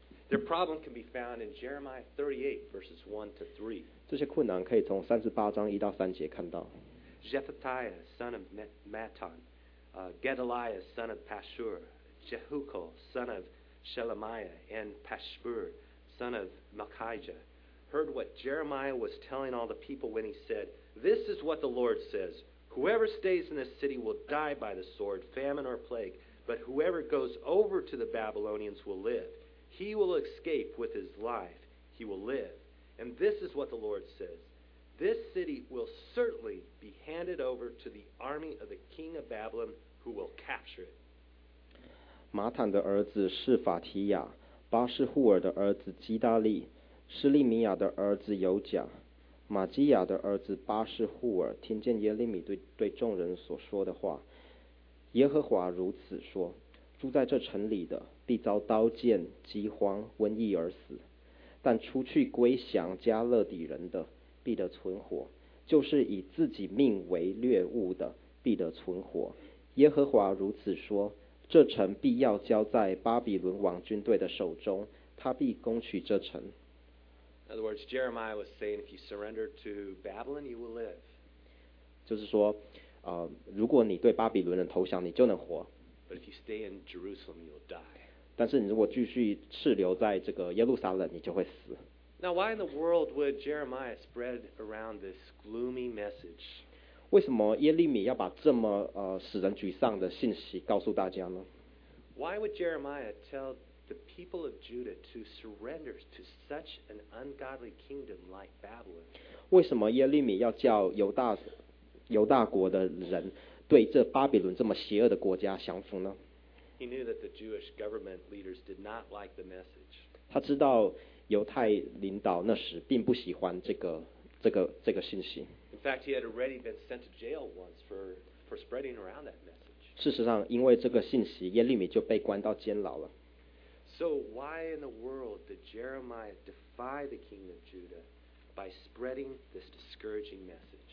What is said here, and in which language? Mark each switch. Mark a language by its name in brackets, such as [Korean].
[English] Their problem can be found in Jeremiah 38 verses 1-3. [Chinese] 这些困难可以从三十八章一到三节看到。 [English] Jephthiah son of Matan, Gedaliah son of Pashur, Jehukal son of Shelemiah, and Pashbur son of Malchijah heard what Jeremiah was telling all the people when he said, "This is what the Lord says: Whoever stays in this city will die by the sword, famine, or plague. But whoever goes over to the Babylonians will live." He will escape with his life. He will live. And this is what the Lord says. This city will certainly be handed over to the army of the king of Babylon who will capture it. [Chinese] 马坦的儿子是法提亚，巴士户尔的儿子基大利，施利米亚的儿子尤甲，马基亚的儿子巴士户尔听见耶利米对众人所说的话。耶和华如此说，住在这城里的必遭刀剑、饥荒、瘟疫而死，但出去归降加勒底人的必得存活，就是以自己命为掠物的必得存活。耶和华如此说，这城必要交在巴比伦王军队的手中，他必攻取这城。 [English] In other words, Jeremiah was saying, if you surrender to Babylon, you will live. [Chinese] 就是说如果你对巴比伦人投降，你就能活。 [English] But if you stay in Jerusalem, you'll die. [Chinese] 但是你如果继续滞留在这个耶路撒冷，你就会死。 [English] Now, why in the world would Jeremiah spread around this gloomy message? [Chinese] 为什么耶利米要把这么使人沮丧的信息告诉大家呢？ [English] Why would Jeremiah tell the people of Judah to surrender to such an ungodly kingdom like Babylon? [Chinese] 为什么耶利米要叫犹大国的人对这巴比伦这么邪恶的国家降服呢？ [English] He knew that the Jewish government leaders did not like the message. [Chinese] 他知道犹太领导那时并不喜欢这个信息。 [English] In fact, he had already been sent to jail once for spreading around that message. [Chinese] 事实上，因为这个信息，耶利米就被关到监牢了。 [English] So why in the world did Jeremiah defy the king of Judah by spreading this discouraging message?